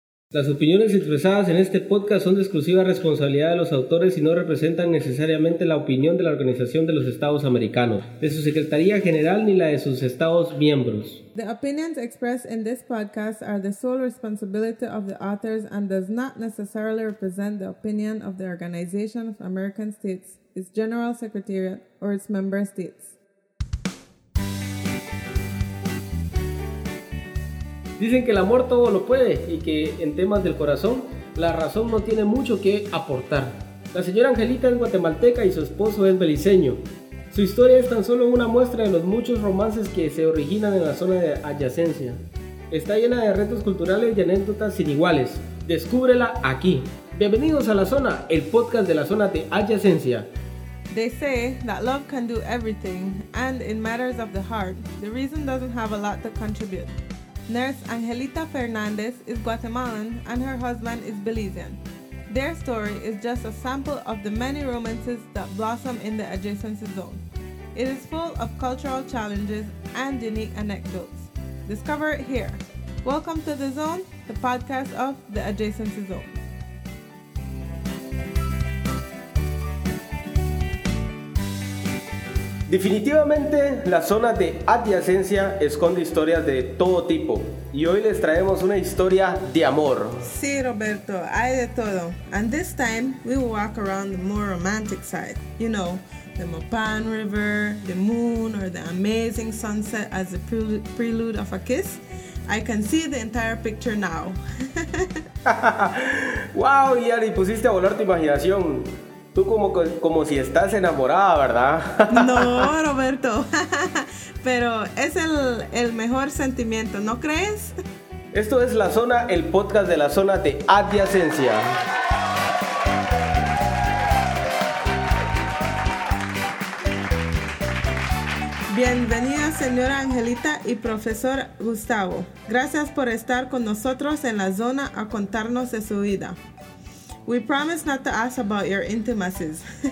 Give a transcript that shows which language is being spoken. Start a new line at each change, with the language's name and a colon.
Spanish: Las opiniones expresadas en este podcast son de exclusiva responsabilidad de los autores y no representan necesariamente la opinión de la Organización de los Estados Americanos, de su Secretaría General ni la de sus Estados miembros.
English: The opinions expressed in this podcast are the sole responsibility of the authors and does not necessarily represent the opinion of the Organization of American States, its General Secretariat, or its member states.
Spanish: Dicen que el amor todo lo puede y que en temas del corazón, la razón no tiene mucho que aportar. La señora Angelita es guatemalteca y su esposo es beliceño. Su historia es tan solo una muestra de los muchos romances que se originan en la zona de adyacencia. Está llena de retos culturales y anécdotas sin iguales. Descúbrela aquí. Bienvenidos a La Zona, el podcast de la zona de adyacencia.
English: They say that love can do everything, and in matters of the heart, the reason doesn't have a lot to contribute. Nurse Angelita Fernandez is Guatemalan and her husband is Belizean. Their story is just a sample of the many romances that blossom in the adjacency zone. It is full of cultural challenges and unique anecdotes. Discover it here. Welcome to The Zone, the podcast of the adjacency zone.
Spanish: Definitivamente, la zona de adyacencia esconde historias de todo tipo. Y hoy les traemos una historia de amor. Sí, Roberto, hay de todo.
English: And this time, we will walk around the more romantic side. You know, the Mopan River, the moon, or the amazing sunset as the prelude of a kiss. I can see the entire picture now.
Spanish: Wow, Yari, pusiste a volar tu imaginación. Tú como si estás enamorada, ¿verdad? No, Roberto. Pero es el mejor sentimiento, ¿no crees? Esto es La Zona, el podcast de la zona de adyacencia. Bienvenida, señora Angelita y profesor Gustavo. Gracias por estar con nosotros en La Zona a contarnos de su vida.
English: We promise not to ask about your intimacies.